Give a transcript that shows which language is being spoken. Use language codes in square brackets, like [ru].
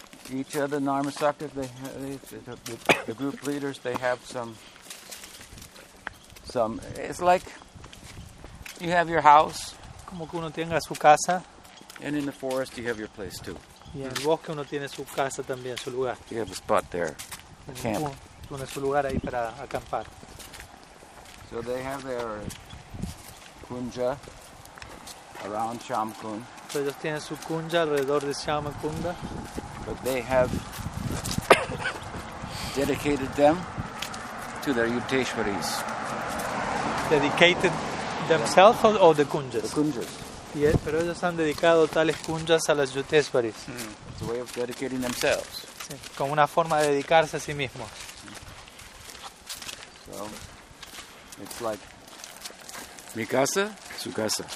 [en] Each of the Narmasakta, the group leaders, they have some. It's like you have your house. [es] Como que uno tenga su casa. [en] And in the forest, you have your place too. [es] Y en el bosque uno tiene su casa también, su lugar. [en] You have a spot there, a camp. [es] Tiene su lugar ahí para acampar. [en] So they have their kunja around Shyamakund. [es] Pero ellos tienen su kunja alrededor de Shyamakunda. [en] But they have dedicated them to their Yukteswaris. Dedicated themselves or the kunjas? The kunjas. [es] Yes, pero ellos han dedicado tales kunjas a las Yukteswaris. [en] It's a way of dedicating themselves. [es] Sí, como una forma de dedicarse a sí mismos. [en] So, it's like [es] mi casa, su casa.